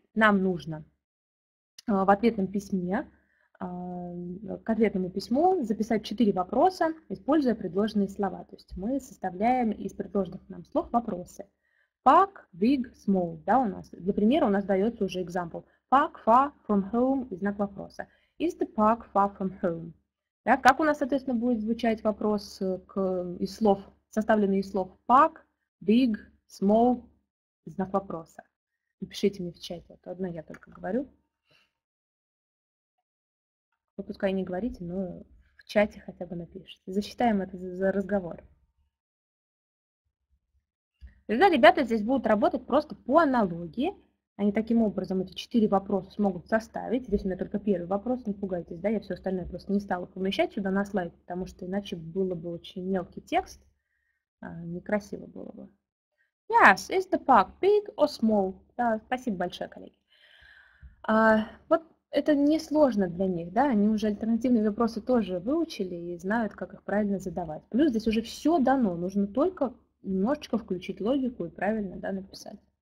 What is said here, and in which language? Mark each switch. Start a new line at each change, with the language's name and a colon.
Russian: Нам нужно в ответном письме, к ответному письму записать 4 вопроса, используя предложенные слова. То есть мы составляем из предложенных нам слов вопросы.
English: Pack, big, small.
Russian: Да, у нас, для примера у нас дается уже example.
English: Pack, far, from home
Russian: и знак вопроса.
English: Is the park far from home?
Russian: Да, как у нас, соответственно, будет звучать вопрос из слов, составленный из слов
English: pack, big, small,
Russian: знак вопроса. Напишите мне в чате, а то одно я только говорю. Вы пускай не говорите, но в чате хотя бы напишите. Засчитаем это за разговор. Тогда ребята здесь будут работать просто по аналогии. Они таким образом эти 4 вопроса смогут составить. Здесь у меня только первый вопрос, не пугайтесь, да, я все остальное просто не стала помещать сюда на слайд, потому что иначе было бы очень мелкий текст, некрасиво было бы.
English: Yes, is the park big or small?
Russian: Да, спасибо большое, коллеги. Вот это несложно для них, да, они уже альтернативные вопросы тоже выучили и знают, как их правильно задавать. Плюс здесь уже все дано, нужно только немножечко включить логику и правильно, да, написать.